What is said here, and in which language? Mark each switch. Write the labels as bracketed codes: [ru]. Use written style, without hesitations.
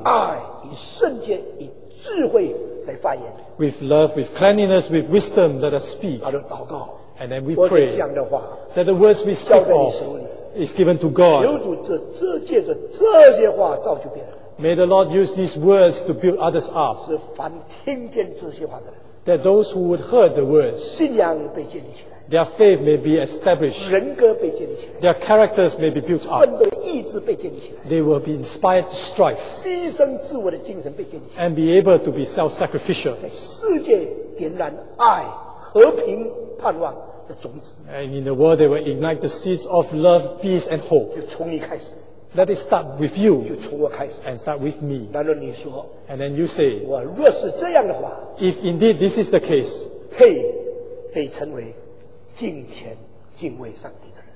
[zh] 以爱，以圣洁，以智慧来发言。 [en] With love, with cleanliness, with wisdom, let us speak. [zh] 他就祷告。 [en] And then we pray [zh] 讲的话, [en] that the words we speak of is given to God. [zh] 求主借着这些话造就别人。 [en] May the Lord use these words to build others up. [zh] 是凡听见这些话的人, [en] that those who would heard the words, [zh] 信仰被建立起来。 [en] Their faith may be established. [zh] 人格被建立起来。 [en] Their characters may be built up. [zh] 奋斗意志被建立起来。 [en] They will be inspired to strive. [zh] 牺牲自我的精神被建立起来。 [en] And be able to be self-sacrificial. [zh] 在世界点燃爱、和平、盼望的种子。 [en] And in the world, they will ignite the seeds of love, peace, and hope. [zh] 就从你开始。 [en] Let it start with you. [zh] 就从我开始。 [en] And start with me. [zh] 然后你说。 [en] And then you say. [zh] 我若是这样的话。 [en] If indeed this is the case. [zh] 可以成为。敬虔敬畏上帝的人